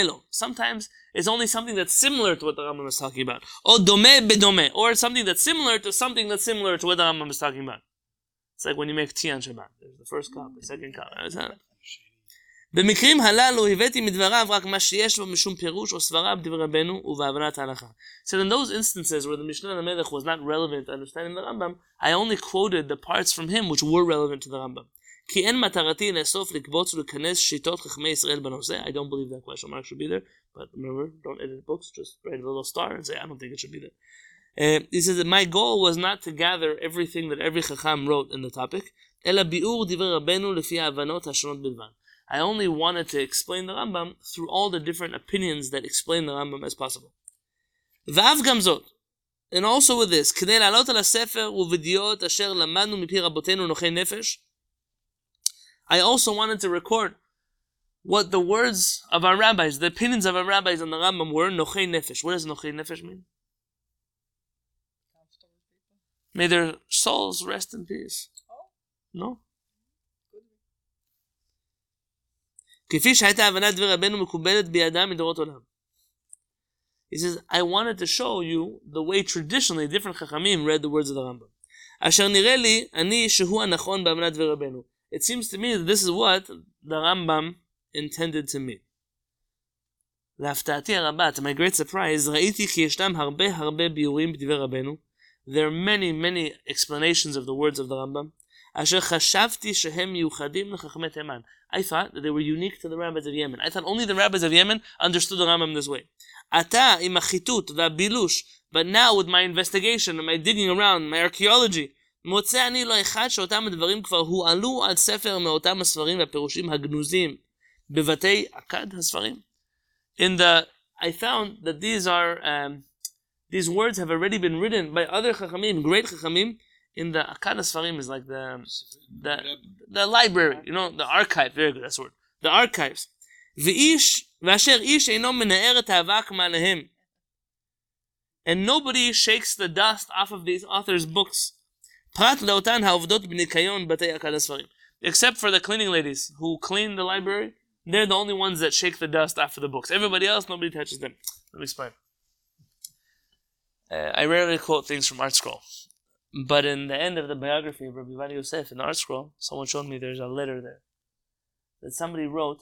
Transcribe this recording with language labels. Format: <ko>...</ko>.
<en>Sometimes it's only something that's similar to what the Rambam is talking about. Or something that's similar to something that's similar to what the Rambam is talking about. It's like when you make tea on Shabbat. There's the first cup, the second cup.</en> <he>במקרים הללו הבאתי מדבריו רק מה שיש בו משום פירוש או סברה בדבר רבנו ובהבנת ההלכה.</he> <en>So in those instances where the Mishneh Lamelech was not relevant to understanding the Rambam, I only quoted the parts from him which were relevant to the Rambam.</en> <he>כי אין מטרתי לאסוף לקבוץ ולכנס שיטות חכמי ישראל בנושא.</he> <en>I don't believe that question mark should be there, but remember, don't edit books, just write a little star and say, I don't think it should be there. He says that my goal was not to gather everything that every chacham wrote in the topic,</en> <he>אלא ביאור דבר רבנו לפי ההבנות השונות בלבן.</he> <en>I only wanted to explain the Rambam through all the different opinions that explain the Rambam as possible.</en> <he>ואף גם זאת,</he> <en>and also with this,</en> <he>כדי לעלות על הספר ובדיעות אשר למדנו מפי רבותינו נוחי נפש,</he> <en>I also wanted to record what the words of our rabbis, the opinions of our rabbis on the Rambam were, Nochei Nefesh. What does Nochei Nefesh mean? May their souls rest in peace. No?</en> <he>כפי שהייתה הבנת דבר רבנו מקובלת בידה מדורות עולם.</he> <en>He says, I wanted to show you the way traditionally different chachamim read the words of the Rambam.</en> <he>אשר נראה לי אני שהוא הנכון בהבנת דבר רבנו.</he> <en>It seems to me that this is what the Rambam intended to mean.</en> <he>להפתעתי הרבה,</he> <en>to my great surprise,</en> <he>ראיתי כי ישנם הרבה הרבה ביורים בדבר רבנו.</he> <en>There are many, many explanations of the words of the Rambam.</en> <he>אשר חשבתי שהם מיוחדים לחכמי תימן.</he> <en>I thought that they were unique to the rabbis of Yemen. I thought only the rabbis of Yemen understood the Rambam this way.</en> <he>אתה עם החיתות והבילוש,</he> <en>but now with my investigation and my digging around, my archaeology,</en> <he>מוצא אני לא אחד שאותם הדברים כבר הועלו על ספר מאותם הספרים והפירושים הגנוזים בבתי אכד הספרים.</he> <en>In the, I found that these words have already been written by other chachamim, great chachamim, in the Akkad HaSfarim is like the library, you know, the archive, very good, that's the word, the archives.</en> <he>ואיש, ואשר איש אינו מנער את האבק מעליהם.</he> <en>And nobody shakes the dust off of these authors' books.</en> <he>פרט לאותן העובדות בניקיון בתי אכד הספרים.</he> <en>Except for the cleaning ladies who clean the library, they're the only ones that shake the dust after the books. Everybody else, nobody touches them. Let me explain. I rarely quote things from Art Scroll. But in the end of the biography of Rabbi Yvani Yosef in Art Scroll, someone showed me there's a letter there. that somebody wrote.</en>